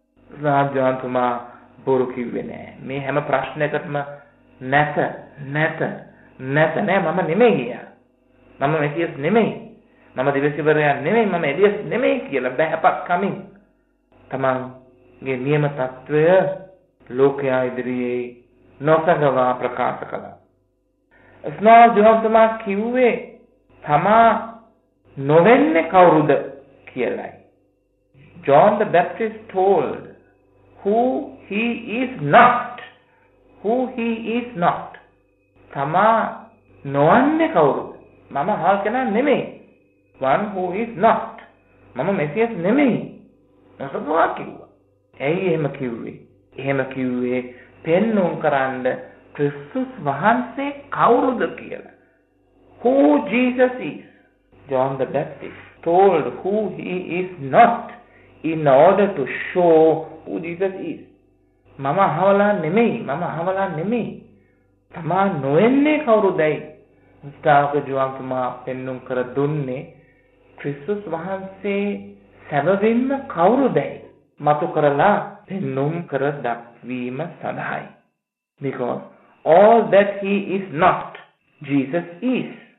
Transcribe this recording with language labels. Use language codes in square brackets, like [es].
[si] ස්නාවක ජුවන්තුමා බොරු කිව්වේ නැහැ. මේ හැම ප්‍රශ්නයකටම නැත නැත නැත නෑ, මම නෙමෙයි ගියා, මම මෙසියස් නෙමෙයි, මම දිවසිවරයා නෙමෙයි, මම එලියස් නෙමෙයි කියලා බැහැපත් කමින් තමන්ගේ නියම තත්වය ලෝකයා ඉදිරියේ නොසඟවා ප්‍රකාශ කළා. ස්නාවක ජුවන්තුමා කිව්වේ තමා නොවෙන්නේ කවුරුද කියලයි. [en] John the Baptist told who he is not, who he is not. [si] තමා නොවන්නේ කවුරුද? මම හල් කෙනා නෙමෙයි. [en] One who is not. [si] මම මෙසියස් නෙමෙයි. නොසඟවා කිව්වා. ඇයි එහෙම කිව්වේ? එහෙම කිව්වේ පෙන්නුම් කරන්න ක්‍රිස්තුස් වහන්සේ කවුරුද කියලා. [en] Who Jesus is. John the Baptist told who he is not in order to show who Jesus is. [si] මම අහවලා නෙමෙයි, මම අහවලා නෙමෙයි. තමා නොවෙන්නේ කවුරුදයි? ස්නාවක ජුවන්තුමා පෙන්නුම් කර දුන්නේ ක්‍රිස්තුස් වහන්සේ සැබවින්ම කවුරුදයි. මතු කරලා පෙන්නුම් කර දක්වීම සඳහායි. [en] Because all that he is not, Jesus is.